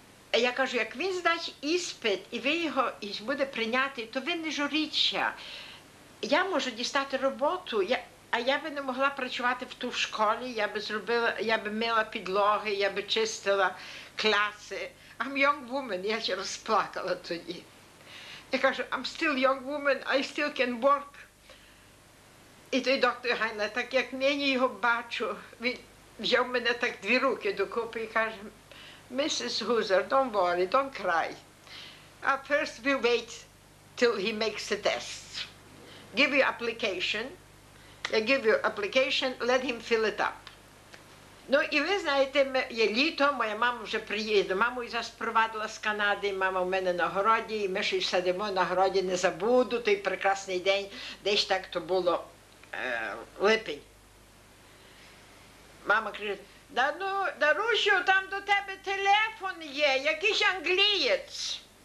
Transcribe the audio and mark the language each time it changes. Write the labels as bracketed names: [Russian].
[Ukrainian] А я кажу, як він здасть іспит, і ви його і буде прийняти, то ви не журіться. Я можу дістати роботу. А я би не могла працювати в ту школі, я би мила підлоги, я би чистила класи. [English] I'm young woman, [Ukrainian] я ще розплакала тоді. Я кажу, [English] I'm still young woman, I still can work. [Ukrainian] І той доктор Гайна, так як нині його бачу, він взяв мене так дві руки докупи і каже, Mrs. [English] Hoosier, don't worry, don't cry. First we wait till he makes the test. Give you application. I give you application, let him fill it up. [Ukrainian] Ну і ви знаєте, є літо, моя мама вже приїде. Маму і зараз провадила з Канади, мама в мене на городі, і ми ще сидимо на городі, не забуду той прекрасний день, десь так то було липень. Мама каже, Дарусю, там до тебе телефон є, якийсь англієць.